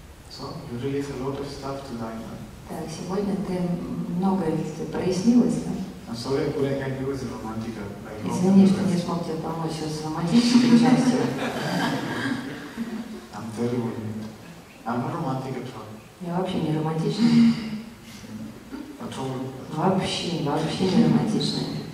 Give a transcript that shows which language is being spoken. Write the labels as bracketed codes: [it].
[en] So you release a lot of stuff tonight. [ru] Так, сегодня ты многое прояснилось, да? [en] I'm sorry, I couldn't help you with the romantic. [ru] Извини, что не смог тебе помочь с романтической частью. [en] I'm terrible. I'm not romantic at all. [ru] Я вообще не романтичный. Вообще не романтичный.